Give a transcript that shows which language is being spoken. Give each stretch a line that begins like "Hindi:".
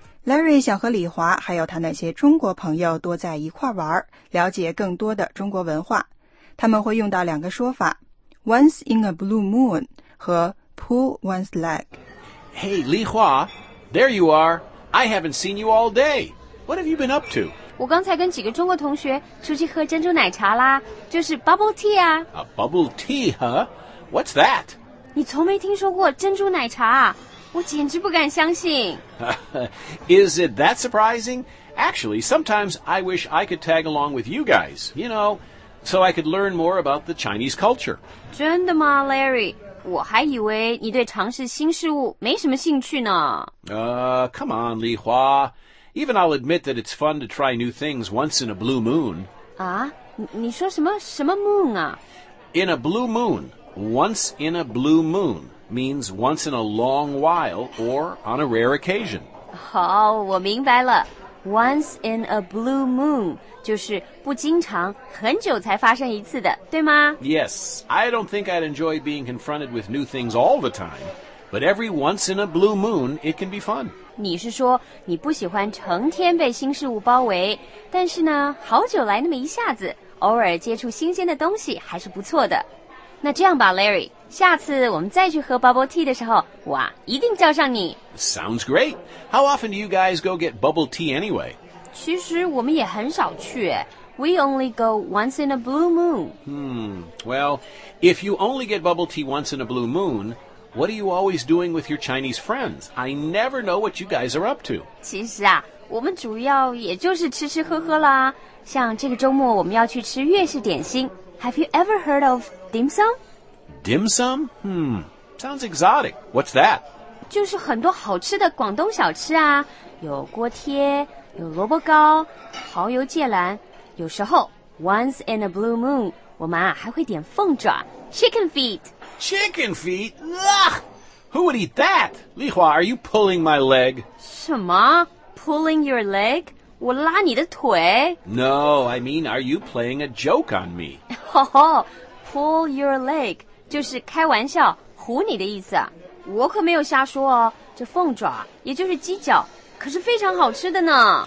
Chinese: Larry 想和李华还有他那些中国朋友多在一块玩，了解更多的中国文化。他们会用到两个说法 ,
English: once in a blue moon
Chinese: 和
English: pull one's leg。 Hey, 李华, there you are. I haven't seen you all day. What have you been up to?
Chinese: 我刚才跟几个中国同学出去喝珍珠奶茶啦，就是 bubble tea 啊。
English: A bubble tea, huh? What's that?
Chinese: 你从没听说过珍珠奶茶啊。我简直不敢相信。
English: Is it that surprising? Actually, sometimes I wish I could tag along with you guys, you know, so I could learn more about the Chinese culture.
Chinese: 真的吗, Larry? 我还以为你对尝试新事物没什么兴趣呢。
English: Come on, Li Hua. Even I'll admit that it's fun to try new things once in a blue moon.
Chinese: 啊? 你说什么,什么 moon 啊?
English: In a blue moon. Once in a blue moon. means once in a long while or on a rare occasion.
Chinese: 好、oh, 我明白了。
English: Once in a blue moon
Chinese: 就是不经常很久才发生一次的对吗
English: Yes, I don't think I'd enjoy being confronted with new things all the time, but every once in a blue moon, it can be fun.
Chinese: 你是说你不喜欢成天被新事物包围但是呢好久来那么一下子偶尔接触新鲜的东西还是不错的。那这样吧 Larry,下次我们再去喝 bubble tea 的时候，哇，一定叫上你。
English: Sounds great. How often do you guys go get bubble tea anyway?
Chinese: 其实我们也很少去。
English: We only go once in a blue moon. Well, if you only get bubble tea once in a blue moon, what are you always doing with your Chinese friends? I never know what you guys are up to.
Chinese: 其实啊，我们主要也就是吃吃喝喝啦。像这个周末我们要去吃粤式点心。
English: Have you ever heard of dim sum? Dim sum? Sounds exotic. What's that?
Chinese: 就是很多好吃的广东小吃啊，有锅贴，有萝卜糕，蚝油芥蓝。有时候 ，
English: once in a blue moon，
Chinese: 我们啊还会点凤爪 ，
English: chicken feet。 Chicken feet? Ugh! Who would eat that? Li Hua, are you pulling my leg?
Chinese: 什么
English: ？Pulling your leg?
Chinese: 我拉你的腿
English: ？No, I mean, are you playing a joke on me? Oh, pull your leg.
Chinese: 就是开玩笑唬你的意思啊我可没有瞎说哦这凤爪也就是鸡脚可是非常好吃的呢